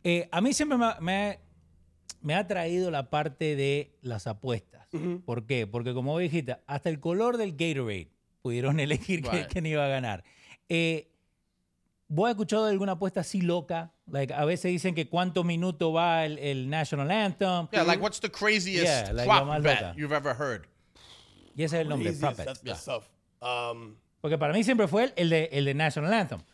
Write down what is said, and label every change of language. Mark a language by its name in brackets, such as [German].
[Spanish] A mí siempre me ha traído la parte de las apuestas. ¿Por qué? Porque como dijiste, hasta el color del Gatorade pudieron elegir quién iba a ganar. ¿Vos has escuchado alguna apuesta así loca? Like, a veces dicen que cuántos minutos va el National Anthem. [English] Like what's the craziest prop bet you've ever heard? [Spanish] Y ese es el nombre, prop bet. Porque para mí siempre fue el de National Anthem.